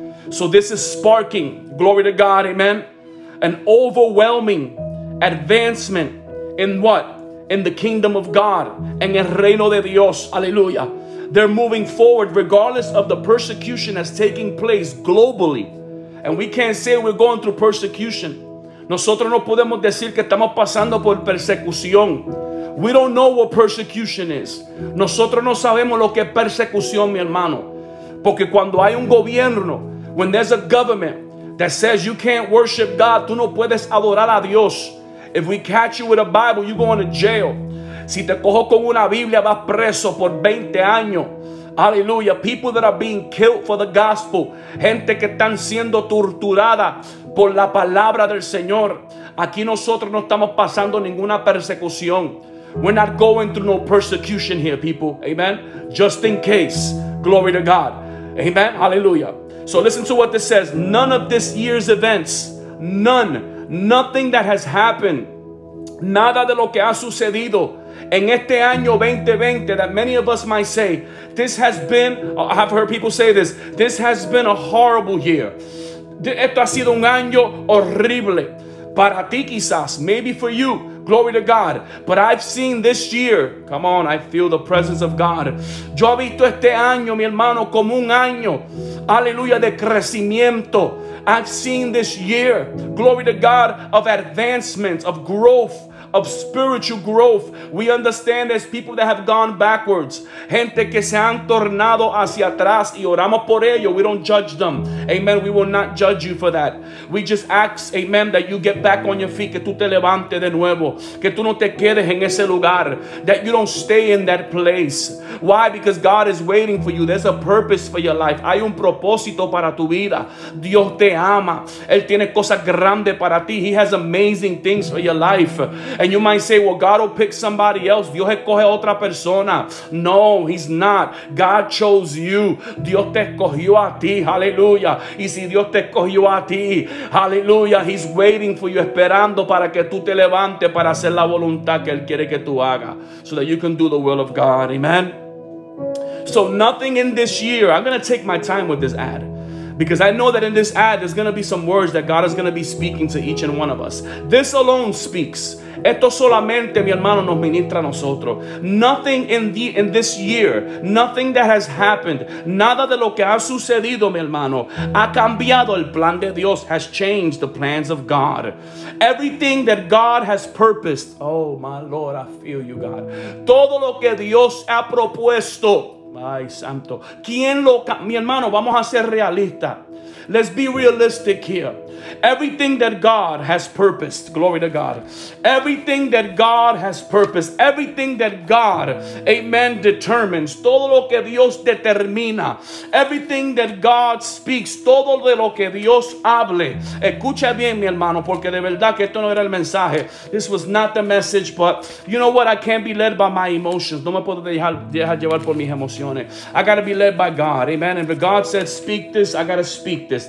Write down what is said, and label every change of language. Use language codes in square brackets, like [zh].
[en] So this is sparking, glory to God, amen, an overwhelming advancement in what? In the kingdom of God. [es] En el reino de Dios. [en] Hallelujah. They're moving forward regardless of the persecution that's taking place globally. And we can't say we're going through persecution. [es] Nosotros no podemos decir que estamos pasando por persecución. [en] We don't know what persecution is. [es] Nosotros no sabemos lo que es persecución, mi hermano. Porque cuando hay un gobierno, [en] when there's a government that says you can't worship God, [es] tú no puedes adorar a Dios. [en] If we catch you with a Bible, you're going to jail. [es] Si te cojo con una Biblia, vas preso por 20 años. Hallelujah. [en] People that are being killed for the gospel. [es] Gente que están siendo torturada por la palabra del Señor. Aquí nosotros no estamos pasando ninguna persecución. [en] We're not going through no persecution here, people. Amen. Just in case. Glory to God. Amen. Hallelujah. So listen to what this says. None of this year's events. None. Nothing that has happened. [es] Nada de lo que ha sucedido. En este año 2020, [en] that many of us might say, this has been, I've heard people say this, this has been a horrible year. [es] Esto ha sido un año horrible. Para ti quizás, [en] maybe for you, glory to God. But I've seen this year, come on, I feel the presence of God. [es] Yo he visto este año, mi hermano, como un año, aleluya, de crecimiento. [en] I've seen this year, glory to God, of advancement, of growth. Of spiritual growth. We understand there's people that have gone backwards. [es] Gente que se han tornado hacia atrás. Y oramos por ello. [en] We don't judge them. [es] Amen. [en] We will not judge you for that. We just ask, amen, that you get back on your feet. [es] Que tú te levantes de nuevo. Que tú no te quedes en ese lugar. [en] That you don't stay in that place. Why? Because God is waiting for you. There's a purpose for your life. [es] Hay un propósito para tu vida. Dios te ama. Él tiene cosas grandes para ti. [en] He has amazing things for your life. And you might say, well, God will pick somebody else. [es] Dios escoge otra persona. [en] No, he's not. God chose you. [es] Dios te escogió a ti. Hallelujah. Y si Dios te escogió a ti, hallelujah, [en] he's waiting for you, [es] esperando para que tú te levantes para hacer la voluntad que él quiere que tú hagas. [en] So that you can do the will of God. Amen. So nothing in this year. I'm going to take my time with this ad. Because I know that in this ad, there's going to be some words that God is going to be speaking to each and one of us. This alone speaks. [es] Esto solamente, mi hermano, nos ministra a nosotros. [en] Nothing in this year, nothing that has happened, [es] nada de lo que ha sucedido, mi hermano, ha cambiado el plan de Dios, [en] has changed the plans of God. Everything that God has purposed. Oh, my Lord, I feel you, God. [es] Todo lo que Dios ha propuesto. Ay, santo. ¿Quién lo mi hermano, vamos a ser realistas. [en] Let's be realistic here. Everything that God has purposed, glory to God. Everything that God has purposed, everything that God, amen, determines, [es] todo lo que Dios determina, [en] everything that God speaks, [es] todo de lo que Dios hable. Escucha bien, mi hermano, porque de verdad que esto no era el mensaje. [en] This was not the message, but you know what? I can't be led by my emotions. [es] No me puedo dejar llevar por mis emociones. [en] I gotta be led by God, amen. And if God said, speak this, I gotta speak this.